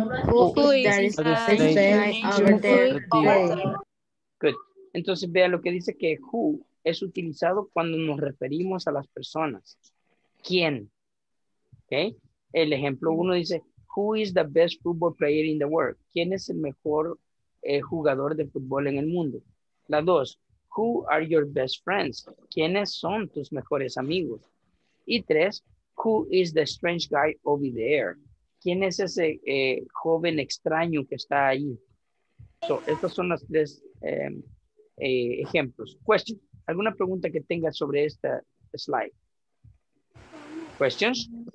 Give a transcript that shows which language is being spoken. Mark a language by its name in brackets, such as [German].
[English] Who is that strange guy over there? [Spanish] Entonces vea lo que dice, que who es utilizado cuando nos referimos a las personas. ¿Quién? ¿Okay? El ejemplo uno dice, [English] who is the best football player in the world? [Spanish] ¿Quién es el mejor jugador de fútbol en el mundo? La dos, [English] who are your best friends? [Spanish] ¿Quiénes son tus mejores amigos? Y tres, [English] who is the strange guy over there? [Spanish] ¿Quién es ese joven extraño que está ahí? So, estas son las tres ejemplos. [English] Question. [Spanish] ¿Alguna pregunta que tenga sobre esta slide? [English] Questions?